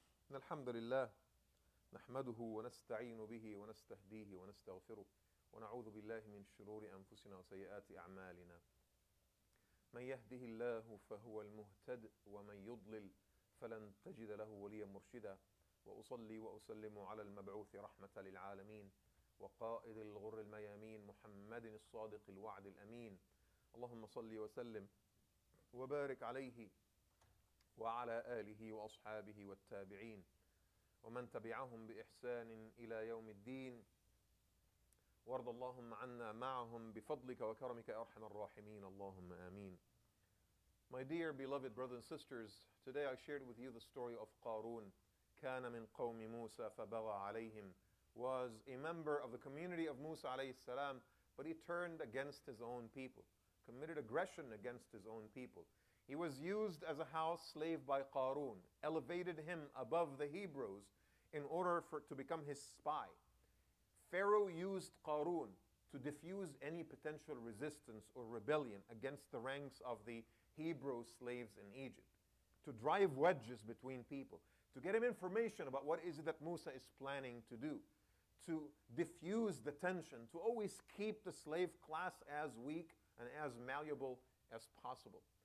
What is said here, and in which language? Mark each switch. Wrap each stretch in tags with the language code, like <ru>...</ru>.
<ar>الحمد لله نحمده ونستعين به ونستهديه ونستغفره ونعوذ بالله من شرور أنفسنا وسيئات أعمالنا من يهده الله فهو المهتد ومن يضلل فلن تجد له وليا مرشدا وأصلي وأسلم على المبعوث رحمة للعالمين وقائد الغر الميامين محمد الصادق الوعد الأمين اللهم صلي وسلم وبارك عليه وعلى آله وأصحابه والتابعين ومن تبعهم بإحسان إلى يوم الدين وارض اللهم عنا معهم بفضلك وكرمك يا أرحم الراحمين اللهم آمين.</ar> <en>My dear beloved brothers and sisters, today I shared with you the story of Qarun.</en> <ar>كان من قوم موسى فبغى عليهم.</ar> <en>Was a member of the community of Musa عليه السلام, but he turned against his own people, committed aggression against his own people. He was used as a house slave by Qarun, elevated him above the Hebrews in order for to become his spy. Pharaoh used Qarun to defuse any potential resistance or rebellion against the ranks of the Hebrew slaves in Egypt, to drive wedges between people, to get him information about what is it that Musa is planning to do, to diffuse the tension, to always keep the slave class as weak and as malleable as possible.</en>